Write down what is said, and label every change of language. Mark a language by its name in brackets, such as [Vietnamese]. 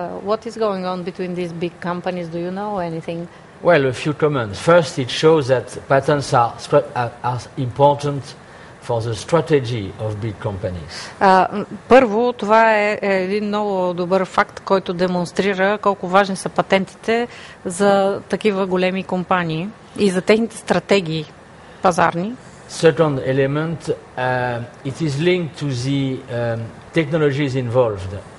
[English] What is going on between these big companies? Do you know anything? Well, a few comments. First, it shows that patents are important for the strategy of big companies. [Bulgarian] Първо, това е един много добър факт, който демонстрира колко важни са патентите за такива големи компании и за техните стратегии пазарни. [English] Second element, it is linked to the technologies involved.